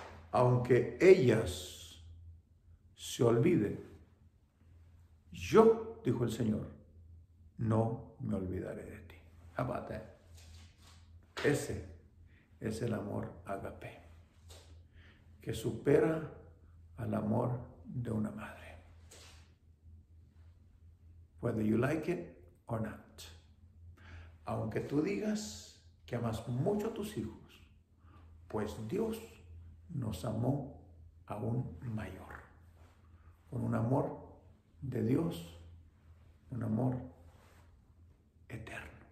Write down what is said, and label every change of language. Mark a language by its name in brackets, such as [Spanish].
[Spanish] Aunque ellas se olviden, yo, dijo el Señor, no me olvidaré de ti. [English] How about that? [Spanish] Ese es el amor agape, que supera al amor de una madre. [English] Whether you like it or not. [Spanish] Aunque tú digas que amas mucho a tus hijos, pues Dios nos amó aún mayor. Con un amor de Dios, un amor eterno.